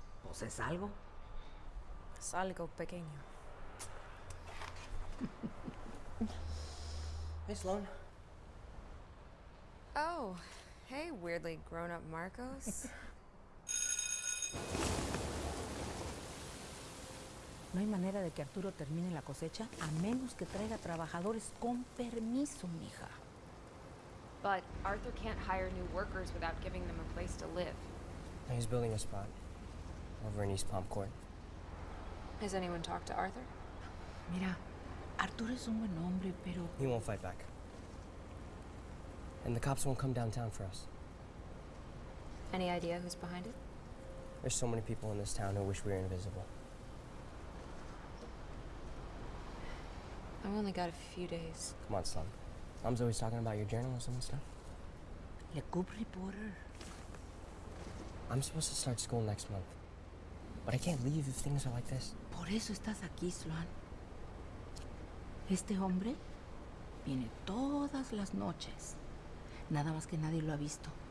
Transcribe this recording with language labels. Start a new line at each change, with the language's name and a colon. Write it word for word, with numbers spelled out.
Spanish: ¿Pues es algo? Es algo pequeño.
English: Hey, Sloan. Oh, hey, weirdly grown-up Marcos.
Spanish: No hay manera de que Arturo termine la cosecha a menos que traiga trabajadores con permiso, mija.
English: But Arthur can't hire new workers without giving them a place to live. He's building a spot over in East Palm Court. Has anyone talked to Arthur?
Spanish: Mira, Arturo es un buen hombre, pero...
English: He won't fight back. And the cops won't come downtown for us. Any idea who's behind it? There's so many people in this town who wish we were invisible. I've only got a few days. Come on, son. Mom's always talking about your journalism and stuff. Le coup reporter. I'm supposed to start school next month. But I can't leave if things are like this.
Spanish: Por eso estás aquí, Sloan. Este hombre viene todas las noches. Nada más que nadie lo ha visto.